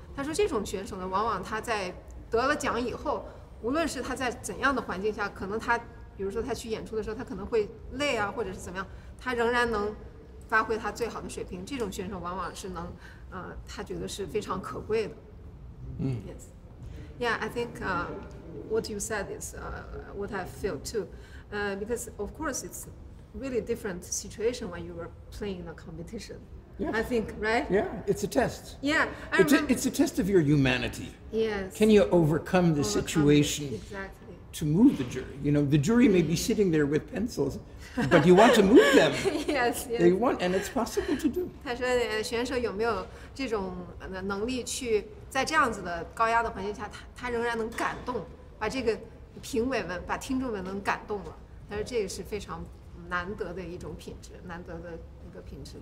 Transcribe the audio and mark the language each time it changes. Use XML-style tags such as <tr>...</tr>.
<zh>他说这种选手呢，往往他在得了奖以后，无论是他在怎样的环境下，可能他比如说他去演出的时候，他可能会累啊，或者是怎么样，他仍然能发挥他最好的水平。这种选手往往是能他觉得是非常可贵的。嗯</zh> <en>，Yes。 Yeah, I think what you said is what I feel too. Because of course it's really different situation when you were playing a competition. Yeah. I think, right? Yeah, it's a test. Yeah, it's a test of your humanity. Yes. Can you overcome the situation exactly. to move the jury? You know, the jury may be sitting there with pencils, but you want to move them. Yes, yes. They want, and it's possible to do.</en> <zh>他说，选手有没有这种能力去在这样子的高压的环境下，他仍然能感动，把这个评委们、把听众们能感动了。他说这个是非常难得的一种品质，难得的一个品质。</zh>